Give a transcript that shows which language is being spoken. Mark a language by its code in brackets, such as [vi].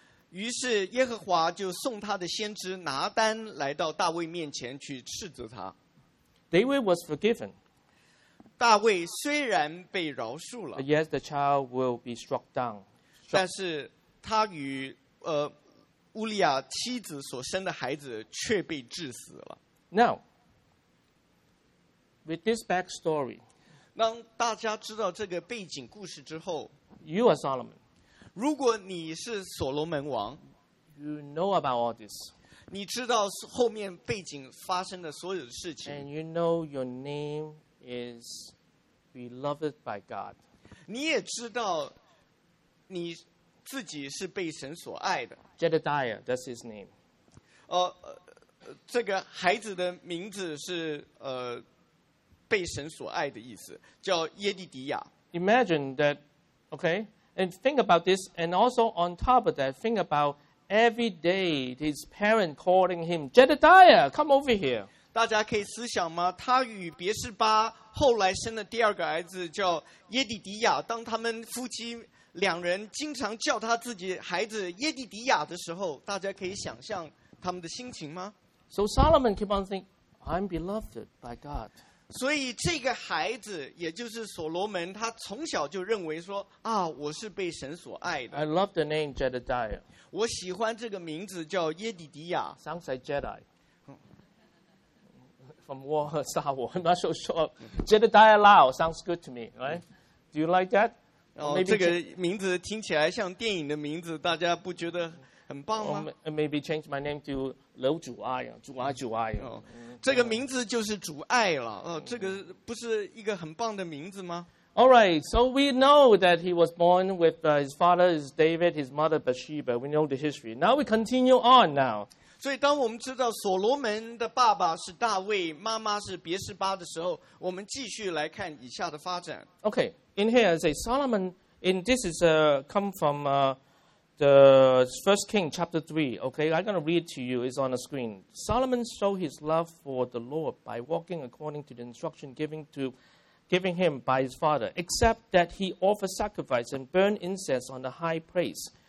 [zh] 于是耶和华就送他的先知拿单来到大卫面前去斥责他。 [en] David was forgiven. [zh] 大卫虽然被饶恕了。 [en] But yet the child will be struck down. [zh] 但是他与乌利亚妻子所生的孩子却被致死了。 [en] Now, with this backstory. [zh] 当大家知道这个背景故事之后 [en] ，You are Solomon. [zh] 如果你是所罗门王 [en] ，You know about all this. [zh] 你知道后面背景发生的所有的事情 [en] ，And you know your name is beloved by God. [zh] 你也知道你自己是被神所爱的。 [en] Jedediah, that's his name. [zh] 这个孩子的名字是被神所爱的意思，叫耶利底亚。 [en] Imagine that, okay, and think about this, and also on top of that, think about every day his parent calling him, Jedediah, come over here. [zh] 大家可以思想吗？他与别示巴后来生的第二个儿子叫耶利底亚，当他们夫妻两人经常叫他自己孩子耶利底亚的时候，大家可以想象他们的心情吗？ [en] So Solomon keep on thinking, I'm beloved by God. [zh] 所以这个孩子也就是所罗门他从小就认为说啊，我是被神所爱的。 [en] I love the name Jedediah. [zh] 我喜欢这个名字叫耶底迪亚。 [en] Sounds like Jedi from War, Star Wars, I'm not so sure. Jedediah Lao sounds good to me, right? Do you like that? [zh] 这个名字听起来像电影的名字，大家不觉得很棒吗？ [en] Maybe change my name to [zh] 楼主爱，主爱主爱。这个名字就是主爱了。这个不是一个很棒的名字吗？ [en] All right, so we know that he was born with his father is David, his mother Bathsheba. We know the history. Now we continue on now. [zh] 所以当我们知道所罗门的爸爸是大卫，妈妈是别示巴的时候，我们继续来看以下的发展。 [en] Okay, in here, say Solomon, and this is come from the First King, chapter 3, okay? I'm going to read to you. It's on the screen. Solomon showed his love for the Lord by walking according to the instruction given him by his father, except that he offered sacrifice and burned incense on the high place.